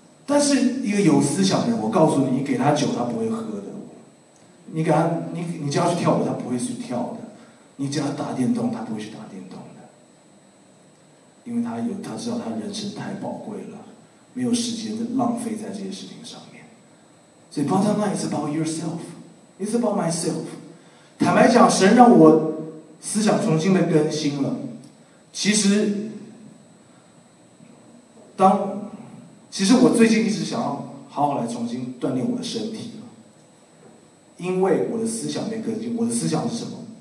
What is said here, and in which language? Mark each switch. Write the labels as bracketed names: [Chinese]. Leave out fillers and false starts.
[Chinese] 但是一个有思想的人，我告诉你，你给他酒他不会喝的，你给他你叫他去跳舞他不会去跳的，你叫他打电动他不会去打电动的，因为他知道他人生太宝贵了，没有时间的浪费在这些事情上面。所以 [English] bottom line is about yourself， it's about myself。 [Chinese] 坦白讲，神让我思想重新的更新了。其实我最近一直想要好好来重新锻炼我的身体，因为我的思想没更新。我的思想是什么？